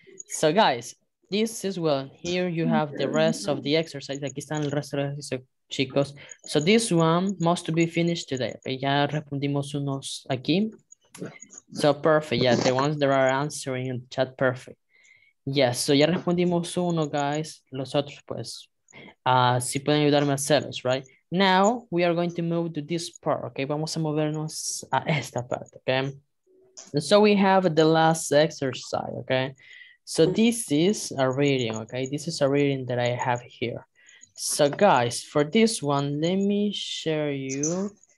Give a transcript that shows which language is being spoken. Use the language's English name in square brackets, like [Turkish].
[English] So guys, this is, well, here you have the rest of the exercise. [Spanish] Aquí están el resto de ejercicio, chicos. [English] So this one must be finished today. Okay? [Spanish] Ya respondimos unos aquí. [English] So perfect. Yeah, the ones that are answering in chat, perfect. Yes, yeah, so [Spanish] ya respondimos uno, [English] guys. [Spanish] Los otros, pues, si pueden ayudarme a hacerlos, right? [English] Now, we are going to move to this part, okay? [Spanish] Vamos a movernos a esta parte, [English] okay? And so we have the last exercise, okay? So this is a reading, okay? This is a reading that I have here. So guys, for this one, let me share you.